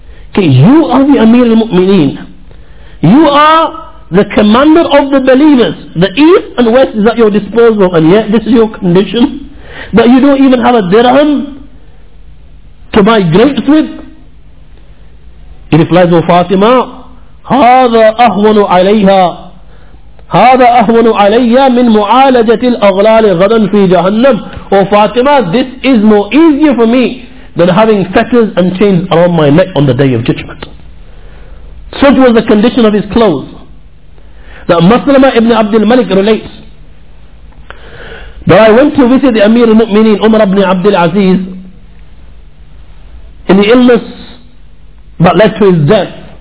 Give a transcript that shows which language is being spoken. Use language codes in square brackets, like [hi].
[en] Okay, you are the Amir al-Mu'mineen. You are the commander of the believers. The east and west is at your disposal, and yet this is your condition, that you don't even have a dirham to buy grapes with. He replies, "O Fatima, [ar] هذا أهون عليها هذا أهون عليا من معالجة الأغلال غدا في جهنم." [en] "O Fatima, this is more easier for me than having fetters and chains around my neck on the day of judgment." Such was the condition of his clothes. That Maslama ibn Abdul Malik relates that I went to visit the Amir al-Mu'mineen Umar ibn Abdul Aziz in the illness that led to his death.